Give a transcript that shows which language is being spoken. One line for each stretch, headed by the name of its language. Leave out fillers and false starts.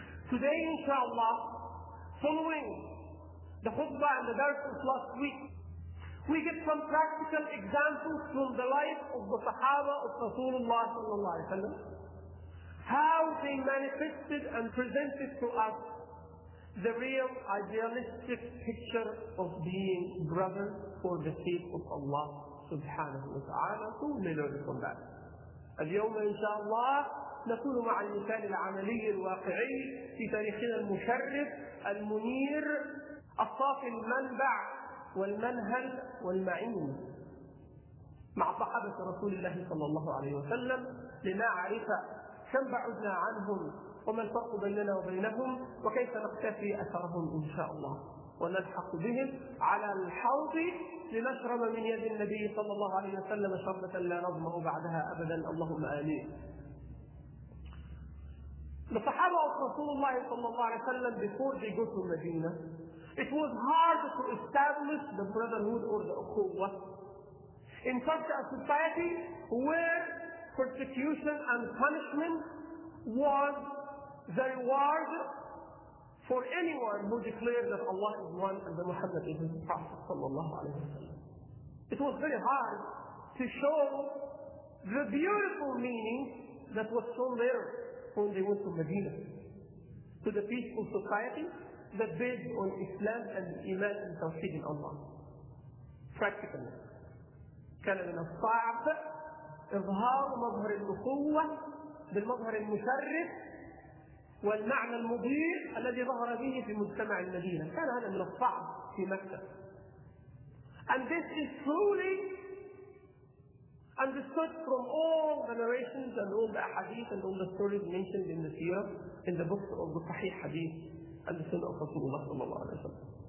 English: Today, inshallah, following the khutbah and the verse of last week, we get some practical examples from the life of the Sahaba of Rasulullah sallallahu alaihi wasallam, how they manifested and presented to us the real idealistic picture of being brothers for the sake of Allah subhanahu wa ta'ala. So we may learn from that.
Arabic: اليوم إن شاء الله نكون مع المثال العملي الواقعي في تاريخنا المشرف المنير الصافي المنبع والمنهل والمعين مع صحابة رسول الله صلى الله عليه وسلم لنعرف كم بعدنا عنهم وما الفرق بيننا وبينهم وكيف نقتفي أثرهم إن شاء الله ونلحق بهم على الحوض لنشرب من يد النبي صلى الله عليه وسلم شربة لا نظمأ بعدها أبدا اللهم آمين.
English: The Sahaba of Rasulullah sallallahu alayhi wa sallam, before they go to Medina, it was hard to establish the brotherhood or the ukhuwah in such a society where persecution and punishment was the reward for anyone who declared that Allah is one and that Muhammad is his prophet sallallahu alayhi wa sallam. It was very hard to show the beautiful meaning that was shown there when they went to Medina, to the peaceful society that based on Islam and Iman and Tawheed in Allah.
Arabic: Practically, كان من الصعب إظهار مظهر الأخوة بالمظهر المشرف والمعنى المبين الذي ظهر به في مجتمع المدينة. كان هذا من الصعب في مكة.
English: And this is truly understood from all the narrations and all the hadith and all the stories mentioned in the seerah, in the books of the Sahih Hadith and the Sunnah of Rasulullah sallallahu alayhi wa sallam.